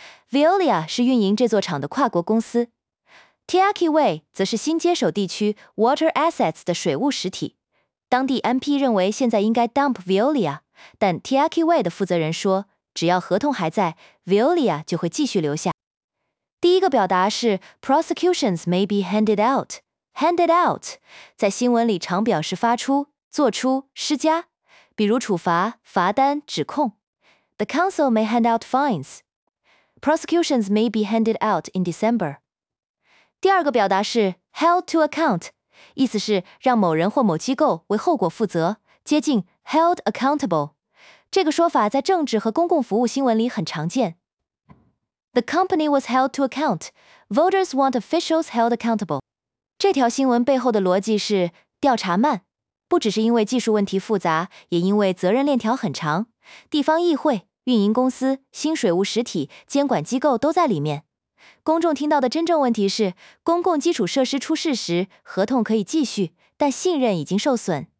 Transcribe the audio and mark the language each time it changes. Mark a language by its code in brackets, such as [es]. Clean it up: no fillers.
[zh] Veolia 是运营这座厂的跨国公司， Tiaki Way 则是新接手地区 Water Assets 的水务实体。当地 MP 认为现在应该 [en] dump Veolia， [zh] 但 Tiaki Way 的负责人说，只要合同还在， Veolia 就会继续留下。第一个表达是 [en] prosecutions may be handed out。 [zh] Handed out 在新闻里常表示发出、做出、施加，比如处罚、罚单、指控。 [en] The council may hand out fines。 Prosecutions may be handed out in December。 [zh] 第二个表达是 held to account， 意思是让某人或某机构为后果负责，接近 held accountable。这个说法在政治和公共服务新闻里很常见。 [en] The company was held to account. Voters want officials held accountable. [zh] 这条新闻背后的逻辑是调查慢，不只是因为技术问题复杂，也因为责任链条很长，地方议会、运营公司、新水务实体、监管机构都在里面。公众听到的真正问题是，公共基础设施出事时，合同可以继续，但信任已经受损。